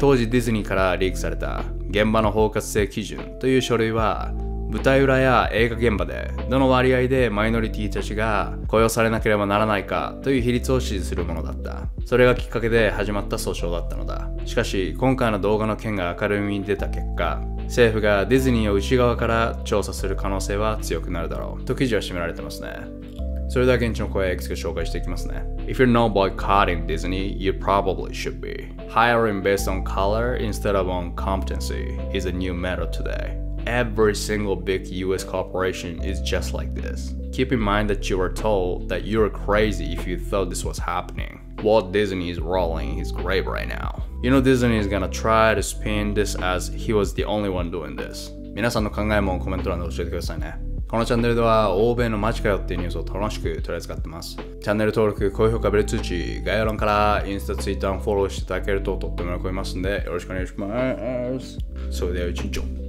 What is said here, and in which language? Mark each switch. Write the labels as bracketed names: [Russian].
[Japanese] 当時ディズニーからリークされた現場の包括性基準という書類は、舞台裏や映画現場でどの割合でマイノリティたちが雇用されなければならないかという比率を指示するものだった。それがきっかけで始まった訴訟だったのだ。しかし今回の動画の件が明るみに出た結果、政府がディズニーを内側から調査する可能性は強くなるだろうと記事は締められてますね。それでは現地の声をいくつか紹介していきますね。 [English] If you're not boycotting Disney, you probably should be. Hiring based on color instead of on competency is a new method todayEvery single big US corporation is just like this. Keep in mind that you were told that you were crazy if you thought this was happening. Walt Disney is rolling his grave right now. You know Disney is gonna try to spin this as he was the only one doing this. [Japanese] 皆さんの考えもコメント欄で教えてくださいね。このチャンネルでは欧米の街かよっていうニュースを楽しく取り扱ってます。チャンネル登録、高評価、ベル通知、概要欄からインスタ、ツイッターもフォローしていただけるととっても喜びますんで、よろしくお願いします。それでは一日を。